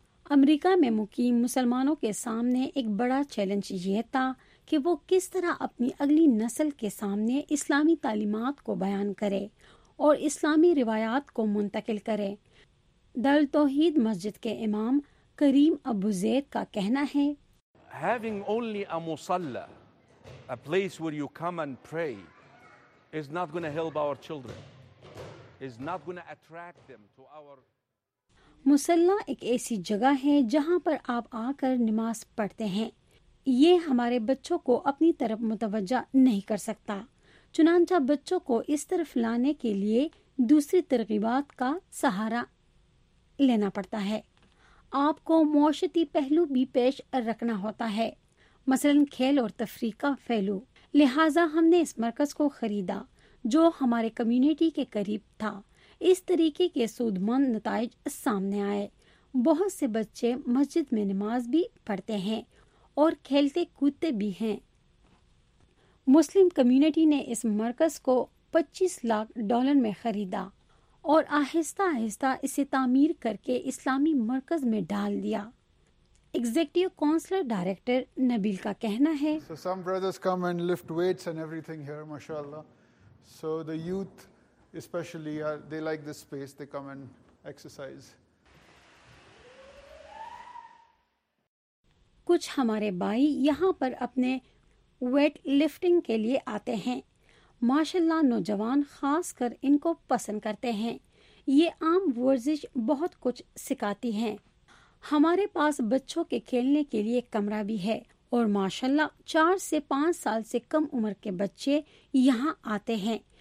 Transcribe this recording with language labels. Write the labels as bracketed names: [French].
[Urdu] امریکہ میں مقیم مسلمانوں کے سامنے ایک بڑا چیلنج یہ تھا کہ وہ کس طرح اپنی اگلی نسل کے سامنے اسلامی تعلیمات کو بیان کرے اور اسلامی روایات کو منتقل کرے. دارالتوحید مسجد کے امام کریم ابو زید کا کہنا ہے, [English] Having only a musalla, a place where you come and pray, is not going to help our children, is not going to attract them to our [Urdu] مصلی. ایک ایسی جگہ ہے جہاں پر آپ آ کر نماز پڑھتے ہیں, یہ ہمارے بچوں کو اپنی طرف متوجہ نہیں کر سکتا, چنانچہ بچوں کو اس طرف لانے کے لیے دوسری ترغیبات کا سہارا لینا پڑتا ہے. آپ کو معاشرتی پہلو بھی پیش رکھنا ہوتا ہے, مثلاً کھیل اور تفریح کا پہلو. لہٰذا ہم نے اس مرکز کو خریدا جو ہمارے کمیونٹی کے قریب تھا. اس طریقے کے سود مند نتائج سامنے آئے. بہت سے بچے مسجد میں نماز بھی پڑھتے ہیں اور کھیلتے کودتے بھی ہیں. مسلم کمیونٹی نے اس مرکز کو $25,00,000 میں خریدا اور آہستہ آہستہ اسے تعمیر کر کے اسلامی مرکز میں ڈال دیا. ایگزیکٹو کونسلر ڈائریکٹر نبیل کا کہنا ہے, [English] So some brothers come and lift weights and everything here, mashallah. So the youth especially, they like this space, they come and exercise. [Urdu] کچھ ہمارے بھائی یہاں پر اپنے ویٹ لفٹنگ کے لیے آتے ہیں. ماشاءاللہ نوجوان خاص کر ان کو پسند کرتے ہیں. یہ عام ورزش بہت کچھ سکھاتی ہیں. ہمارے پاس بچوں کے کھیلنے کے لیے کمرہ بھی ہے اور ماشاءاللہ 4 سے 5 سال سے کم عمر کے بچے یہاں آتے ہیں.